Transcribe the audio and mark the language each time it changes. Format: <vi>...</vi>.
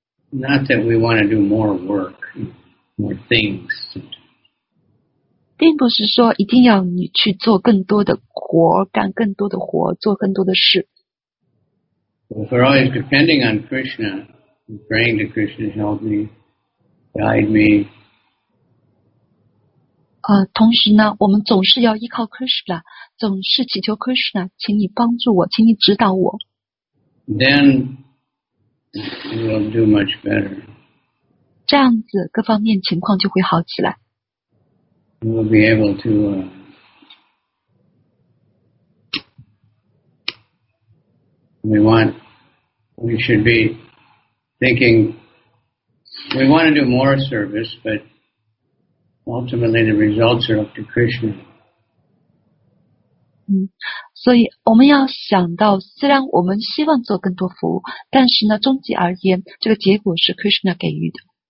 <en>Not that we want to do more work, more things.</en> <zh>并不是说一定要你去做更多的活，干更多的活，做更多的事。</zh> <en>If we're always depending on Krishna, praying to Krishna to help me, guide me.</en> <zh>同时呢，我们总是要依靠 Krishna, 总是祈求 Krishna, 请你帮助我，请你指导我。</zh> <en>Then we'll do much better.</en> <zh>这样子，各方面情况就会好起来。</zh> <en>We'll be able to we want to do more service, but ultimately the results are up to Krishna.</en> <zh>所以我们要想到，虽然我们希望做更多服务，但是呢，终极而言，这个结果是 Krishna 给予的。</zh>